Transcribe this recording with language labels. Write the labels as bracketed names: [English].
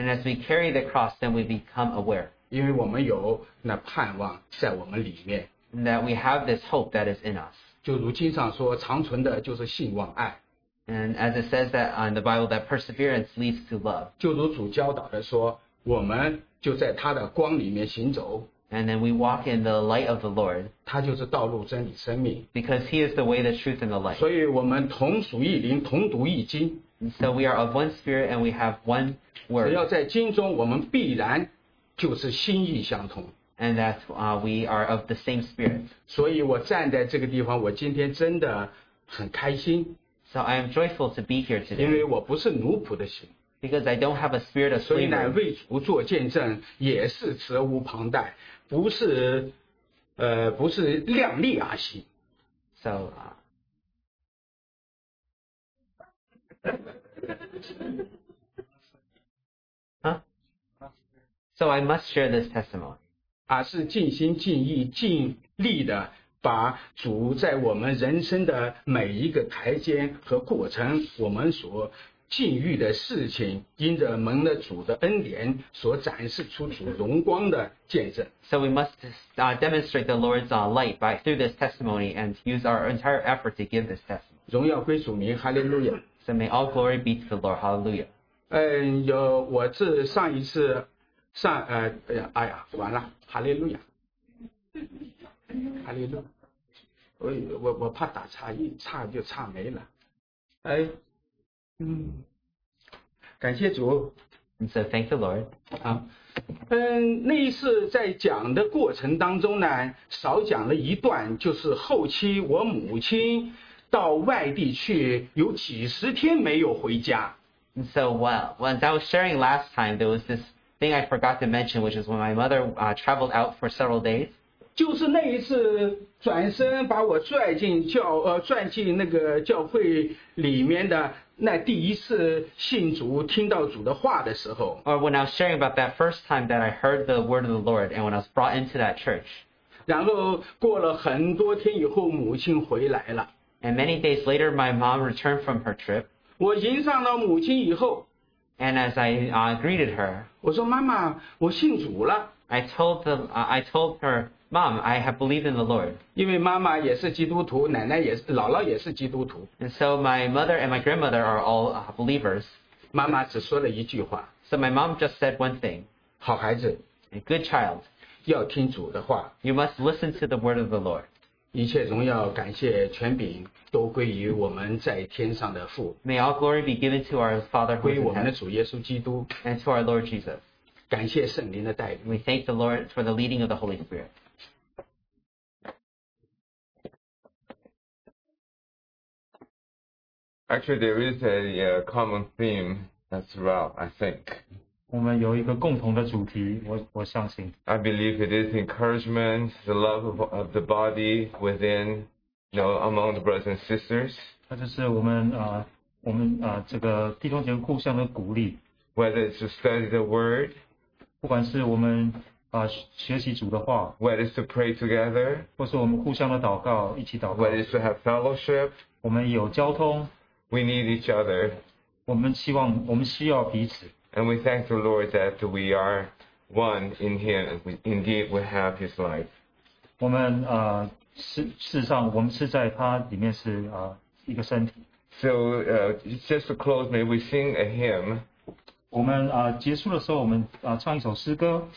[English] And as we carry the cross, then we become aware. [Chinese] 因为我们有那盼望在我们里面。 [English] And that we have this hope that is in us. [Chinese] 就如经上说，长存的就是信望爱。 [English] And as it says that in the Bible, that perseverance leads to love. [Chinese] 就如主教导的说，我们就在他的光里面行走。 [English] And then we walk in the light of the Lord. [Chinese] 他就是道路、真理、生命。 [English] Because he is the way, the truth, and the life. [Chinese] 所以我们同属一灵，同读一经。 [English] So we are of one spirit and we have one word. [Chinese] 只要在经中，我们必然就是心意相同。 [English] And that we are of the same spirit. [Chinese] 所以我站在这个地方，我今天真的很开心。 [English] So I am joyful to be here today. [Chinese] 因为我不是奴仆的心。 [English] Because I don't have a spirit of slavery. [Chinese] 所以乃为主做见证，也是责无旁贷，不是量力而行。 [English] So, So I must share this testimony. [Chinese] 而是尽心尽意尽力的把主在我们人生的每一个台阶和过程，我们所境遇的事情，因着蒙了主的恩典，所展示出主荣光的见证。 [English] So we must demonstrate the Lord's light by through this testimony and use our entire effort to give this testimony. [Chinese] 荣耀归主名，哈利路亚。 [English] So may all glory be to the Lord, hallelujah. [Chinese] 有我自上一次上哎呀，完了，哈利路亚。哈利路亚，我怕打岔，一岔就岔没了。哎，感谢主。 [English] So thank the Lord. [Chinese] 那一次在讲的过程当中呢，少讲了一段，就是后期我母亲到外地去，有几十天没有回家。 [English] And so when I was sharing last time, there was this thing I forgot to mention, which is when my mother traveled out for several days. [Chinese] 就是那一次转身把我拽进教拽进那个教会里面的那第一次信主听到主的话的时候。 [English] Or when I was sharing about that first time that I heard the word of the Lord and when I was brought into that church. [Chinese] 然后过了很多天以后母亲回来了。 [English] And many days later my mom returned from her trip. [Chinese] 我迎上了母亲以后。 [English] And as I greeted her. [Chinese] 我说妈妈我信主了。 [English] I told her,Mom, I have believed in the Lord. [Chinese] 因为妈妈也是基督徒，奶奶也是，姥姥也是基督徒。 [English] And so my mother and my grandmother are all believers. [Chinese] 妈妈只说了一句话。 [English] So my mom just said one thing. [Chinese] 好孩子。 [English] A good child. [Chinese] 要听主的话。 [English] You must listen to the word of the Lord. [Chinese] 一切荣耀感谢权柄都归于我们在天上的父。 [English] May all glory be given to our Father who is in heaven. [Chinese] 归我们的主耶稣基督。 [English] And to our Lord Jesus. [Chinese] 感谢圣灵的带领。 [English] We thank the Lord for the leading of the Holy Spirit. Actually, there is a common theme as well, I think. [Chinese] 我们有一个共同的主题，我相信。 [English] I believe it is encouragement, the love of the body within, you know, among the brothers and sisters. [Chinese] 那就是我们这个弟兄姐妹互相的鼓励。 [English] Whether it's to study the word. [Chinese] 不管是我们学习主的话。 [English] Whether it's to pray together. [Chinese] 或是我们互相的祷告，一起祷告。 [English] Whether it's to have fellowship. [Chinese] 我们有交通。 [English] We need each other. [Chinese] 我们希望我们需要彼此。 [English] And we thank the Lord that we are one in Him. Indeed, we have His life. [Chinese] 我们事实上我们是在他里面是一个身体。 [English] So just to close, may we sing a hymn. [Chinese] 我们结束的时候我们唱一首诗歌。